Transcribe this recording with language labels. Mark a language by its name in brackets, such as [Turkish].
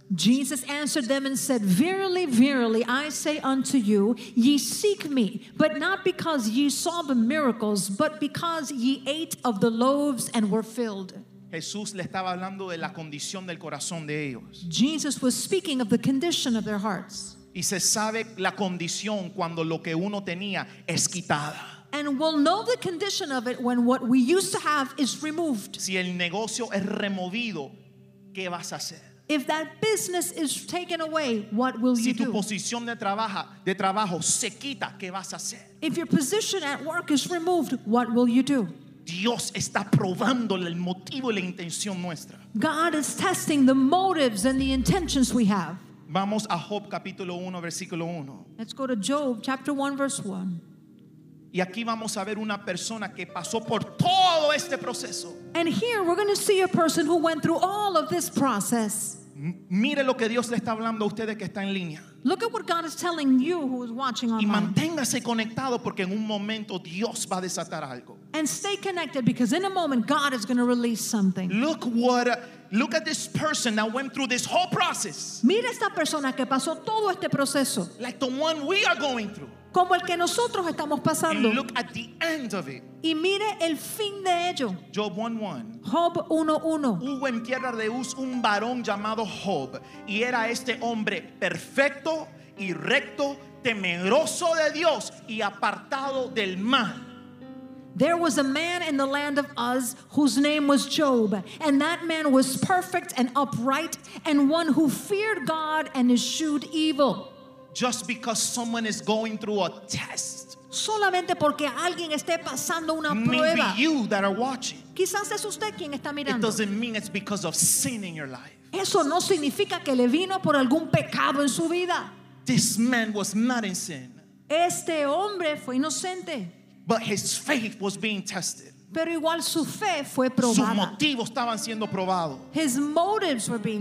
[English] Jesus answered them and said, verily, verily, I say unto you, ye seek me, but not because ye saw the miracles, but because ye ate of the loaves and were filled. [Spanish] Jesús le estaba hablando de la condición del corazón de ellos. [English] Jesus was speaking of the condition of their hearts. [Spanish] Y se sabe la condición cuando lo que uno tenía es quitada. [English] And we'll know the condition of it when what we used to have is removed. [Spanish] Si el negocio es removido, ¿qué vas a hacer? [English] If that business is taken away, what will [Spanish] si [English] you do? [Spanish] Si tu posición de trabajo se quita, ¿qué vas a hacer? [English] If your position at work is removed, what will you do? [Spanish] Dios está probando el motivo y la intención nuestra. [English] God is testing the motives and the intentions we have. [Spanish] Vamos a Job capítulo 1 versículo 1. [English] Let's go to Job chapter 1 verse 1. [Spanish] Y aquí vamos a ver una persona que pasó por todo este proceso. [English] And here we're going to see a person who went through all of this process. [Spanish] Mire lo que Dios le está hablando a ustedes que está en línea. [English] Look at what God is telling you who is watching online. [Spanish] Y manténgase conectado porque en un momento Dios va a desatar algo. [English] And stay connected because in a moment God is going to release something. Look at this person that went through this whole process. [Spanish] Mira esta persona que pasó todo este proceso. [English] Like the one we are going through. [Spanish] Como el que nosotros estamos pasando. [English] And look at the end of it. [Spanish] Y mire el fin de ello. [English] Job 1:1. [Spanish] Job 1:1. Hubo en tierra de Uz un varón llamado Job, y era este hombre perfecto y recto, temeroso de Dios y apartado del mal. [English] There was a man in the land of Uz whose name was Job, and that man was perfect and upright, and one who feared God and eschewed evil. Just because someone is going through a test, [Spanish] solamente porque alguien esté pasando una [English] maybe [Spanish] prueba, [English] you that are watching, [Spanish] quizás es usted quien está mirando. [English] It doesn't mean it's because of sin in your life. [Spanish] Eso no significa que le vino por algún pecado en su vida. [English] This man was not in sin. [Spanish] Este hombre fue inocente. [English] But his faith was being tested. [Spanish] Pero igual su fe fue probada. Sus motivos estaban siendo probados. [English] His motives were being